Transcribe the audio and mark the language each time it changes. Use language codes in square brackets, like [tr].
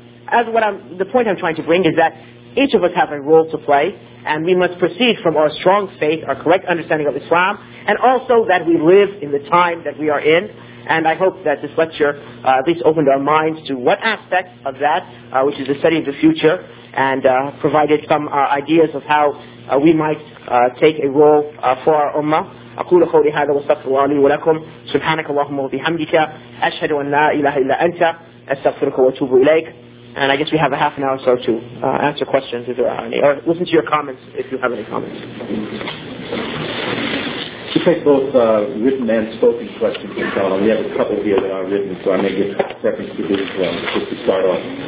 [en] The point I'm trying to bring is that each of us have a role to play, and we must proceed from our strong faith, our correct understanding of Islam, and also that we live in the time that we are in. And I hope that this lecture at least opened our minds to what aspects of that, which is the study of the future, and provided some ideas of how we might take a role for our ummah. [ar] أقول قولي هذا واستغفر الله لي ولكم سبحانك اللهم وبحمدك أشهد أن لا إله إلا أنت أستغفرك وأتوب إليك. [en] And I guess we have a half an hour or so to answer questions, if there are any, or listen to your comments if you have any comments. You take both written and spoken questions, inshallah. We have a couple here that are written, so I may get seconds to do as well, just to start off.